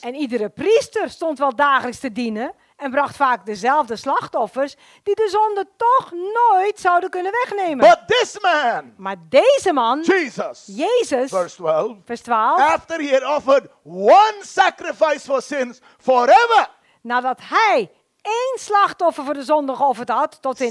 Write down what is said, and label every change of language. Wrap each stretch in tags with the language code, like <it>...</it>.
<nl>En iedere priester stond wel dagelijks te dienen en bracht vaak dezelfde slachtoffers die de zonde toch nooit zouden kunnen wegnemen.</nl> <en>But this man,</en> <nl>maar deze man,</nl> <en>Jesus,</en> <nl>vers 12,</nl> <en>after he had offered one sacrifice for sins forever,</en> <nl>nadat hij één slachtoffer voor de zonde geofferd had tot in</nl>